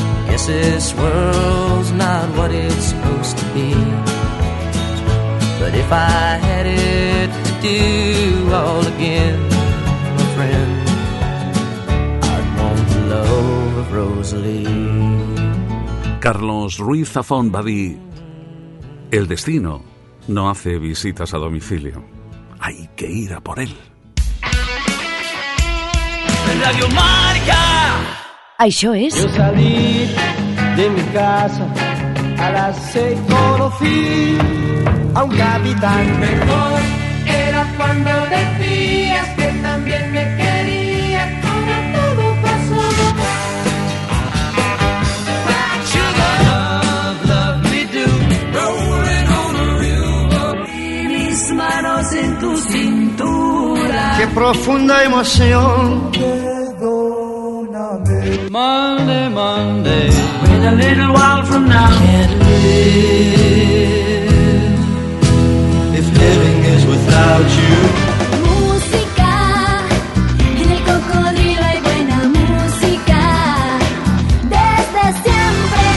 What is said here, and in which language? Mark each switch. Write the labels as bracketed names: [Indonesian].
[English] Guess this world's not what it's supposed to be. But if I had it to do all again, my friend, I'd want the love of Rosalie. [Spanish] Carlos Ruiz Zafón [Catalan] va dir: [Spanish] el destino no hace visitas a domicilio. Hay que ir a por él. Radio Marca. [Catalan] Això és... [Spanish] Yo salí de mi casa a las 6, conocí a un capitán. Mejor era cuando decías que también me querías. Ahora todo pasó. [English] Sugar, love, love me do. Rolling on a river. [Spanish] Y mis manos en tu cintura. Qué profunda emoción. [English] Monday, Monday. Wait a little while from now. Can't live if living is without you. [Spanish] Música en el cocodrilo y buena música desde siempre.